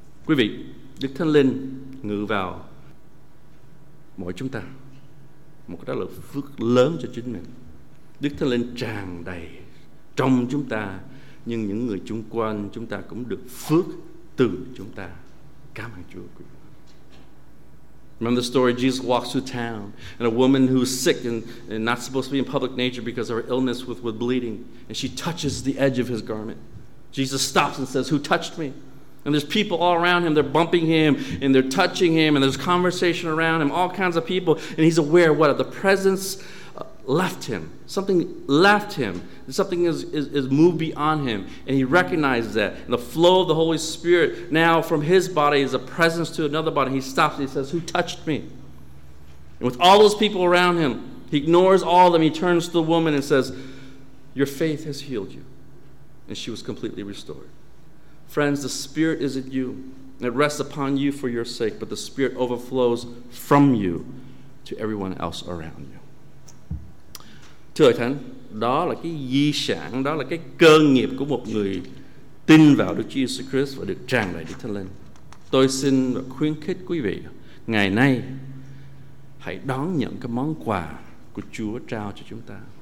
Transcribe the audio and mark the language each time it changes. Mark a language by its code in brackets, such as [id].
[vi] Quý vị, Đức Thánh Linh ngự vào mỗi chúng ta, một cái đó là phước lớn cho chính mình. Đức Thánh Linh tràn đầy trong chúng ta, nhưng những người chung quanh chúng ta cũng được phước từ chúng ta. Cảm ơn Chúa. [en] Remember the story, Jesus walks through town and a woman who's sick and not supposed to be in public nature because of her illness with bleeding, and she touches the edge of his garment. Jesus stops and says, "Who touched me?" And there's people all around him. They're bumping him and they're touching him, and there's conversation around him, all kinds of people, and he's aware what the presence left him. Something left him. Something is moved beyond him, and he recognizes that. And the flow of the Holy Spirit now from his body is a presence to another body. He stops and he says, "Who touched me?" And with all those people around him, he ignores all of them. He turns to the woman and says, "Your faith has healed you." And she was completely restored. Friends, the Spirit is in you. It rests upon you for your sake, but the Spirit overflows from you to everyone else around you. [vi] Thưa thánh, đó là cái di sản, đó là cái cơ nghiệp của một người tin vào Đức Chúa Jesus Christ và được tràn đầy Đức Thánh Linh. Tôi xin và khuyến khích quý vị, ngày nay hãy đón nhận cái món quà của Chúa trao cho chúng ta.